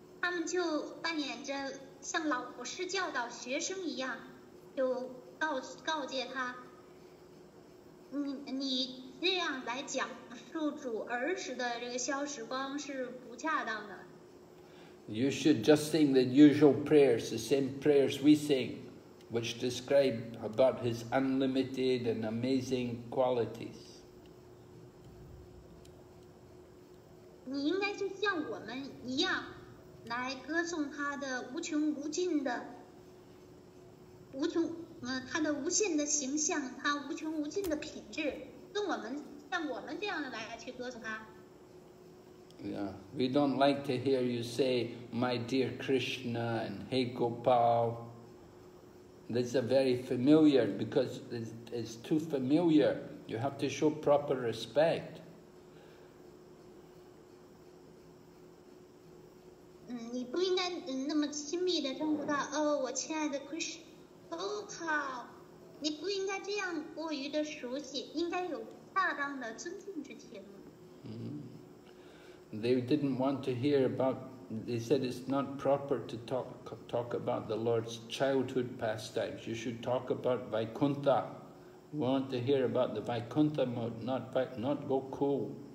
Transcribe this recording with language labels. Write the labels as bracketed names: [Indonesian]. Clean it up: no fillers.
[English] You should just sing the usual prayers, the same prayers we sing, which describe about his unlimited and amazing qualities. [Chinese] 你应该就像我们一样来歌颂他的无穷无尽的无穷他的无限的形象，他无穷无尽的品质，跟我们像我们这样的来去歌颂他。 [English] Yeah, we don't like to hear you say, my dear Krishna and hey Gopal. That's a very familiar, because it's too familiar. You have to show proper respect. [Chinese] 你不应该那么亲密地称呼他，哦，我亲爱的 Krishna, Gopal. 你不应该这样过于的熟悉，应该有大当的尊敬之情。 [English] They didn't want to hear about, they said it's not proper to talk about the Lord's childhood pastimes. You should talk about Vaikuntha. We want to hear about the Vaikuntha mode, not Gokul.